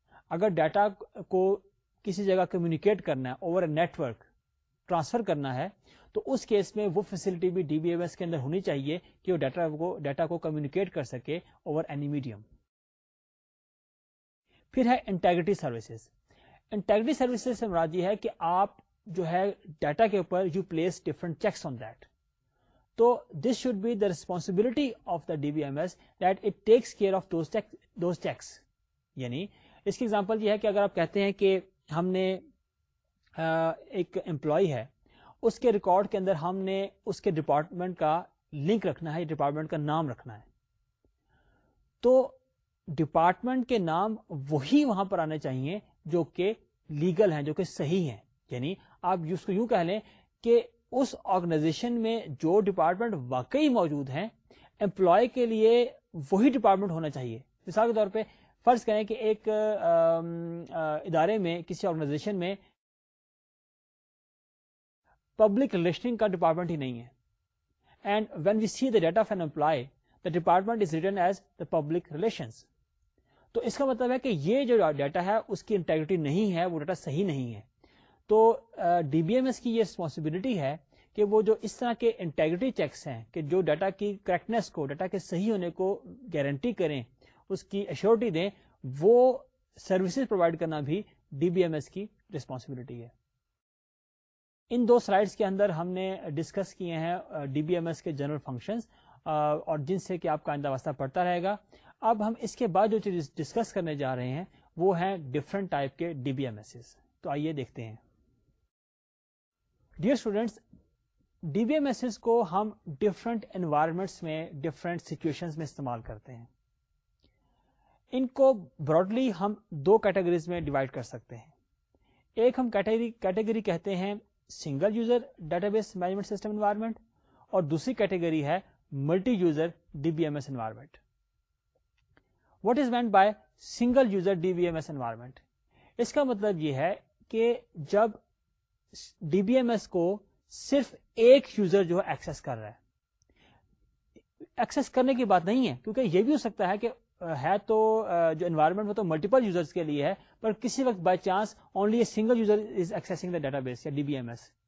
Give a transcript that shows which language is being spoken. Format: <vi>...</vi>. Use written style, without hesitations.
<ur>اگر ڈیٹا کو کسی جگہ کمیونیکیٹ کرنا ہے,</ur> <en>over a network</en> <ur>ٹرانسفر کرنا ہے, تو اس کیس میں وہ فیسلٹی بھی ڈی بی ایم ایس کے اندر ہونی چاہیے کہ وہ ڈیٹا کو کمیونیکیٹ کر سکے</ur> <en>Over any medium.</en> <ur>پھر ہے انٹیگریٹی سروسز. انٹیگریٹی سروسز سے مراد یہ ہے کہ آپ جو ہے ڈیٹا کے اوپر</ur> <en>You place different checks on that. تو this should be the responsibility of the D B M S that it takes care of those checks.</en> <ur>یعنی اس کی ایگزامپل یہ ہے کہ اگر آپ کہتے ہیں کہ ہم نے ایک امپلائی ہے, اس کے ریکارڈ کے اندر ہم نے اس کے ڈپارٹمنٹ کا لنک رکھنا ہے, ڈپارٹمنٹ کا نام رکھنا ہے, تو ڈپارٹمنٹ کے نام وہی وہاں پر آنے چاہیے جو کہ لیگل ہیں, جو کہ صحیح ہیں. یعنی آپ اس کو یوں کہہ لیں کہ اس آرگنائزیشن میں جو ڈپارٹمنٹ واقعی موجود ہیں, امپلائی کے لیے وہی ڈپارٹمنٹ ہونا چاہیے. مثال کے طور پہ فرض کریں کہ ایک ادارے میں, کسی آرگنائزیشن میں پبلک ریلیشننگ کا ڈپارٹمنٹ ہی نہیں ہے.</ur> <en>And when we see the data of an employee the department is written as the public relations.</en> <ur>تو اس کا مطلب ہے کہ یہ جو ڈیٹا ہے اس کی انٹیگریٹی نہیں ہے, وہ ڈیٹا صحیح نہیں ہے. تو ڈی بی ایم ایس کی یہ رسپانسبلٹی ہے کہ وہ جو اس طرح کے انٹیگریٹی چیکس ہیں کہ جو ڈیٹا کی کریکٹنیس کو, ڈیٹا کے صحیح ہونے کو گارنٹی کریں, اس کی اشیورٹی دیں, وہ سروسز پرووائڈ کرنا بھی ڈی بی ایم ایس کی رسپانسبلٹی ہے. ان دو سلائڈس کے اندر ہم نے ڈسکس کیے ہیں ڈی بی ایم ایس کے جنرل فنکشنز اور جن سے کہ آپ کا آئندہ واسطہ پڑتا رہے گا. اب ہم اس کے بعد جو چیز ڈسکس کرنے جا رہے ہیں وہ ہیں ڈفرنٹ ٹائپ کے ڈی بی ایم ایس. تو آئیے دیکھتے ہیں. Dear students, D B M S کو ہم ڈفرنٹ انوائرمنٹس میں, ڈفرنٹ سچویشنز میں استعمال کرتے ہیں. ان کو براڈلی ہم دو کیٹیگریز میں ڈیوائڈ کر سکتے ہیں. ایک ہم کیٹیگری کہتے ہیں single user data base management system environment, اور دوسری کیٹیگری ہے multi user D B M S environment.</ur> <en>What is meant by single user DBMS environment?</en> <ur>اس کا مطلب یہ ہے کہ جب ڈی بی ایم ایس کو صرف ایک یوزر جو ہے ایکسس کر رہا ہے. ایکسس کرنے کی بات نہیں ہے, کیونکہ یہ بھی ہو سکتا ہے کہ ہے تو جو انوائرمنٹ وہ تو ملٹیپل یوزرس کے لیے ہے, پر کسی وقت by chance</ur> <en>only a single user is accessing the database</en> <ur>یا ڈی بی ایم ایس.</ur>